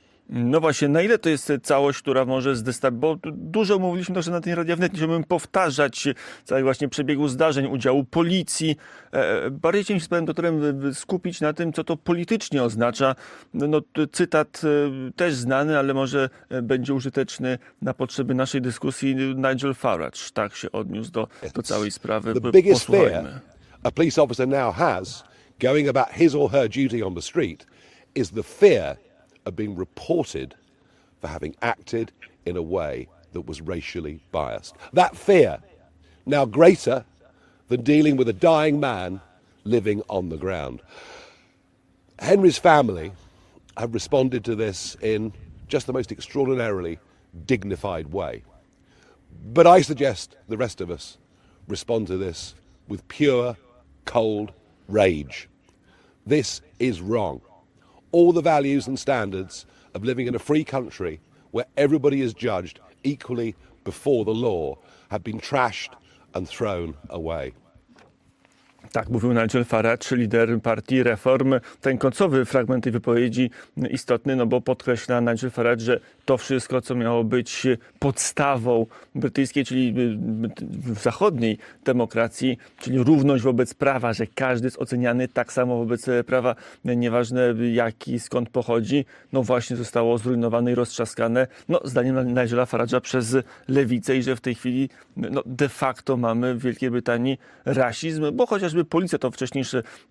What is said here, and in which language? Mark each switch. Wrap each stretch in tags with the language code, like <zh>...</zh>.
<pl>No właśnie, na ile to jest całość, która może zdestabilizować, bo dużo mówiliśmy też na tej Radia Wnet, chciałbym powtarzać cały właśnie przebiegu zdarzeń, udziału policji. Bardziej chciałem się z panem doktorem skupić na tym, co to politycznie oznacza. No, cytat też znany, ale może będzie użyteczny na potrzeby naszej dyskusji. Nigel Farage tak się odniósł do całej</pl> <en>The</en> <pl>sprawy.</pl> <en>biggest fear</en> <pl>Posłuchajmy.</pl> <en>a police officer now has going about his or her duty on the street is the fear of being reported for having acted in a way that was racially biased. That fear, now greater than dealing with a dying man living on the ground. Henry's family have responded to this in just the most extraordinarily dignified way. But I suggest the rest of us respond to this with pure, cold rage. This is wrong. All the values and standards of living in a free country where everybody is judged equally before the law have been trashed and thrown away.</en> <pl>Tak mówił Nigel Farage, lider partii Reform. Ten końcowy fragment tej wypowiedzi istotny, no bo podkreśla Nigel Farage, że to wszystko, co miało być podstawą brytyjskiej, czyli zachodniej demokracji, czyli równość wobec prawa, że każdy jest oceniany tak samo wobec prawa, nieważne jaki, skąd pochodzi, no właśnie zostało zrujnowane i roztrzaskane, no zdaniem Nigela Farage'a przez lewicę i że w tej chwili no de facto mamy w Wielkiej Brytanii rasizm, bo chociażby policja, to wcześniejszy</pl>